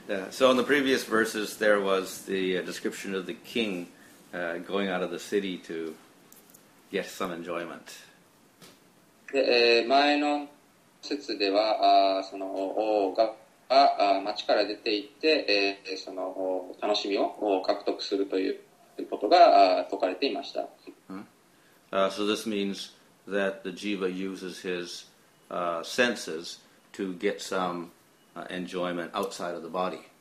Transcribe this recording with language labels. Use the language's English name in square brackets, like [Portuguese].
[English] So in the previous verses there was the description of the king going out of the city to get some enjoyment. [Japanese] 前の説ではその王が町から出て行って、その楽しみを獲得するということが説かれていました。 [English] So this means that the jiva uses his senses to get some enjoyment outside of the body.